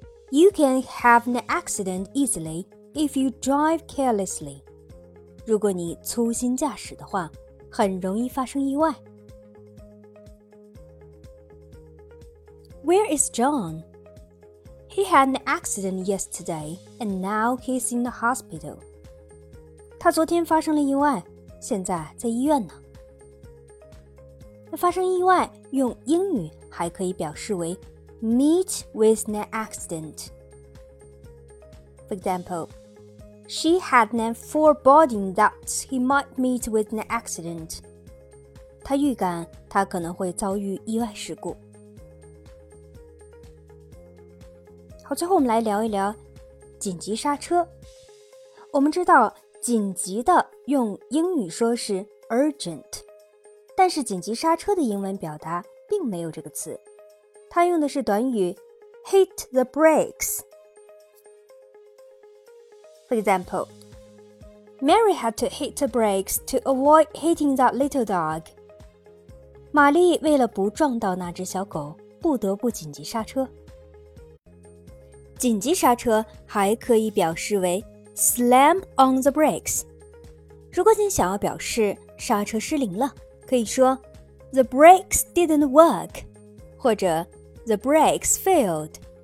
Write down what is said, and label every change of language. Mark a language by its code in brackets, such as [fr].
[en] You can have an accident easily if you drive carelessly. [zh] 如果你粗心驾驶的话，很容易发生意外。 [en] Where is John? He had an accident yesterday and now he's in the hospital. [zh] 他昨天发生了意外，现在在医院呢。发生意外用英语还可以表示为 [en] meet with an accident. For example, she had a foreboding that he might meet with an accident. [zh] 她预感她可能会遭遇意外事故。好，最后我们来聊一聊紧急刹车。我们知道紧急的用英语说是 urgent。但是紧急刹车的英文表达并没有这个词，它用的是短语 [en] hit the brakes. For example, Mary had to hit the brakes to avoid hitting that little dog. [zh] 玛丽为了不撞到那只小狗，不得不紧急刹车。紧急刹车还可以表示为 [en] slam on the brakes. [zh] 如果你想要表示刹车失灵了，可以说 [en] The brakes didn't work [zh] 或者 [en] The brakes failed。